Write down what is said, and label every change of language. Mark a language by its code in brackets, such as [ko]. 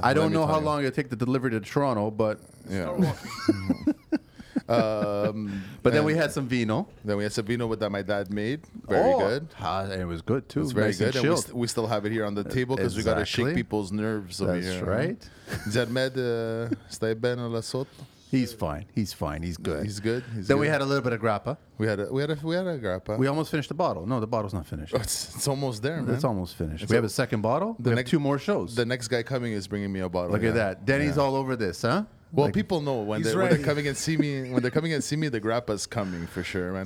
[en] I don't know how long it'll take to deliver to Toronto, but yeah. But then we had some vino. Then we had some vino that my dad made. Very good. It was good too. It's very good. And we still have it here on the table because we got to shake people's nerves over here. That's right. [it] Zermed, stai bene la sotto? [en] He's fine. He's good. He's good. We had a little bit of grappa. We had a grappa. We almost finished the bottle. No, the bottle's not finished. Oh, it's almost there, man. It's almost finished. It's we have a second bottle. We have two more shows. The next guy coming is bringing me a bottle. Look at that. Danny's all over this, huh? Well, like, people know when they're coming and see me, the grappa's coming for sure, man.